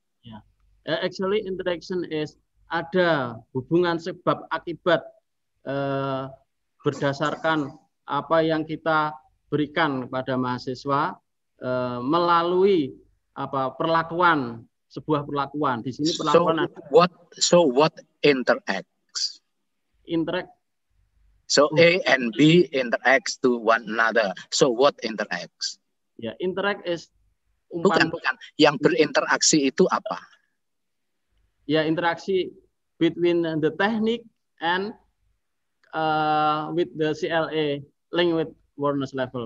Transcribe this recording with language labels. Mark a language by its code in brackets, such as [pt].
[en] Yeah, actually interaction is [id] ada hubungan sebab akibat berdasarkan apa yang kita berikan kepada mahasiswa melalui apa perlakuan sebuah perlakuan di sini perlakuan [en] so ada. what interacts? Interact. So A and B interacts to one another. So what interacts? Yeah, interact is [id] Bukan. Yang berinteraksi itu apa? Ya, interaksi [en] between the technique and with the CLA, language awareness level.